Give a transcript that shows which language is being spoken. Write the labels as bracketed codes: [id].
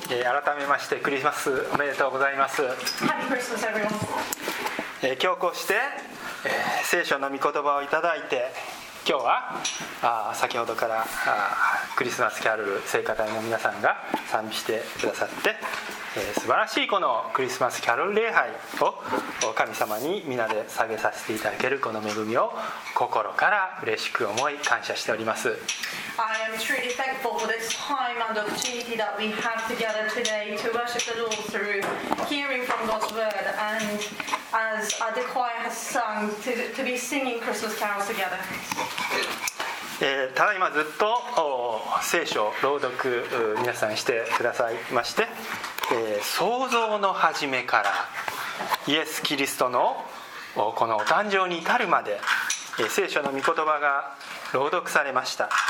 [ja] 改めましてクリスマスおめでとうございます。 [en] Happy Christmas, everyone. [ja] 今日こうして、聖書の御言葉をいただいて、今日は先ほどからクリスマスキャロル聖歌隊の皆さんが賛美してくださって、素晴らしいこのクリスマスキャロル礼拝を神様に皆で下げさせていただけるこの恵みを心から嬉しく思い感謝しております。 [en] I am truly thankful for this time and opportunity that we have together today to worship the Lord through hearing from God's word and as the choir has sung to be singing Christmas carols together。 [ja] ただいまずっと聖書朗読皆さんしてくださいまして、創造の始めからイエス・キリストのこのお誕生に至るまで、聖書の御言葉が朗読されました。